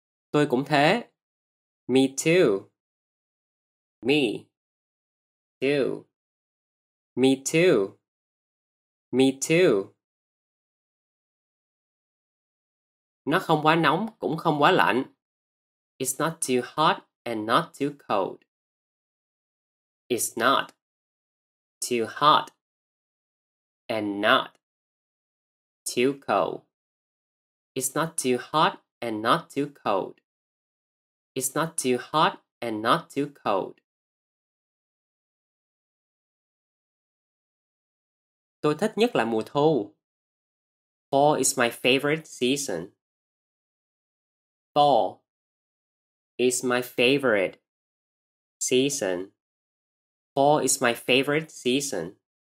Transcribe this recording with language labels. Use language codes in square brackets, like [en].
[vi] Tôi cũng thế. [en] Me too. Me too. Me too. Me too. [vi] Nó không quá nóng, cũng không quá lạnh. [en] It's not too hot and not too cold. It's not too hot and not too cold. It's not too hot and not too cold. It's not too hot and not too cold. [vi] Tôi thích nhất là mùa thu. [en] Fall is my favorite season. Fall is my favorite season. Fall is my favorite season.